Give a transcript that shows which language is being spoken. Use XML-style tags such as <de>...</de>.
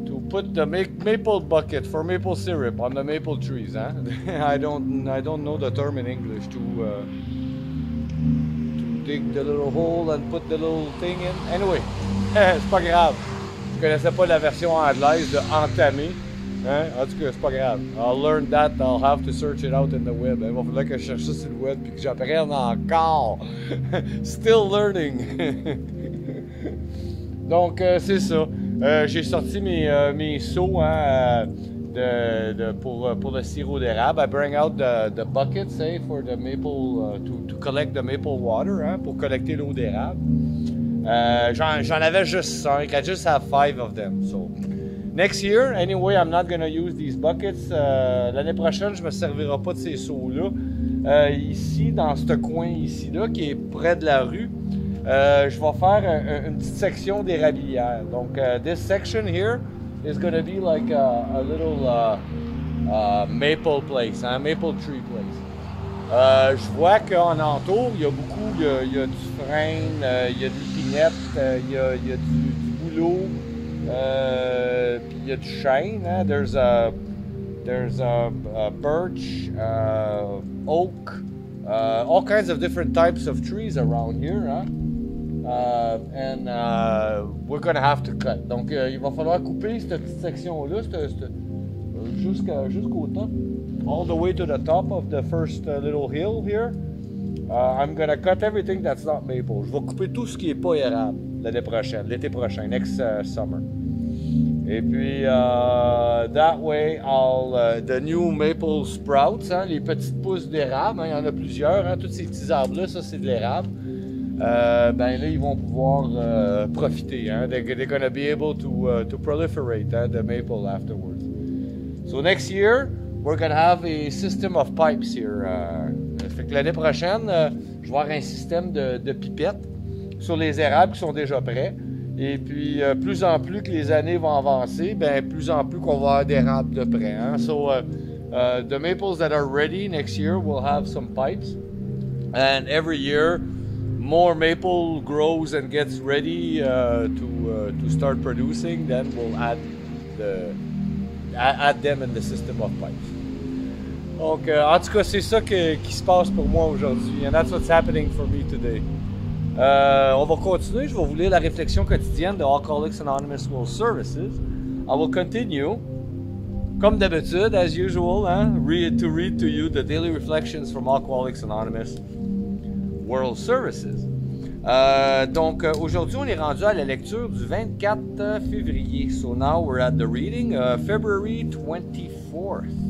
<en>put the maple bucket for maple syrup on the maple trees, hein? I don't know the term in English to dig the little hole and put the little thing in. Anyway,</en> <fr>c'est pas grave. Je connaissais pas la version anglaise de entamé. Hein? En tout cas, c'est pas grave.</fr> <en>I'll learn that, I'll have to search it out in the web.</en> <fr>Il va falloir que je cherche ça sur le web et que j'apprenne encore.</fr> <en>Still learning.</en> <fr>Donc, c'est ça. J'ai sorti mes seaux hein, pour le sirop d'érable.</fr> <en>I bring out the bucket, say, for the maple, to collect the maple water, hein,</en> <fr>pour collecter l'eau d'érable. J'en avais juste 5.</fr> <en>I just have 5 of them. So, next year, anyway, I'm not going to use these buckets.</en> <fr>L'année prochaine, je ne me servirai pas de ces seaux-là. Ici, dans ce coin ici-là, qui est près de la rue, je vais faire une petite section d'érablière. Donc,</fr> <en>this section here is going to be like a little maple place, hein, maple tree place.</en> <fr>Je vois qu'en entour, il y a beaucoup, il y a du frêne, il y a des pinettes, il y a du bouleau, puis il y a du chêne.</fr> <en>Hein. There's a birch, oak, all kinds of different types of trees around here. Hein. And we're gonna have to cut.</en> <fr>Donc, il va falloir couper cette petite section-là, jusqu'au top.</fr> <en>All the way to the top of the first little hill here. I'm gonna cut everything that's not maple.</en> <fr>Je vais couper tout ce qui n'est pas érable l'année prochaine, l'été prochain,</fr> <en>next summer.</en> <fr>Et puis,</fr> <en>that way, I'll the new maple sprouts,</en> <fr>hein, les petites pousses d'érable, hein, y en a plusieurs, hein, tous ces petits arbres-là, ça c'est de l'érable. Ben là, ils vont pouvoir profiter, hein?</fr> <en>They're gonna be able to proliferate, hein, the maple afterwards. So next year, we're gonna have a system of pipes here.</en> <fr>Fait que l'année prochaine, je vais avoir un système de pipettes sur les érables qui sont déjà prêts. Et puis, plus en plus que les années vont avancer, ben plus en plus qu'on va avoir d'érables de près, hein?</fr> <en>So, the maples that are ready next year will have some pipes. And every year, more maple grows and gets ready to start producing, then we'll add them in the system of pipes.</en> <fr>Donc, en tout cas, c'est ça qui se passe pour moi aujourd'hui,</fr> <en>and that's what's happening for me today.</en> <fr>On va continuer, je vais vous lire la réflexion quotidienne de Alcoholics Anonymous World Services.</fr> <en>I will continue,</en> <fr>comme d'habitude,</fr> <en>as usual, hein, to read to you the daily reflections from Alcoholics Anonymous World Services.</en> <fr>Donc, aujourd'hui, on est rendu à la lecture du 24 février.</fr> <en>So now we're at the reading, February 24th.</en>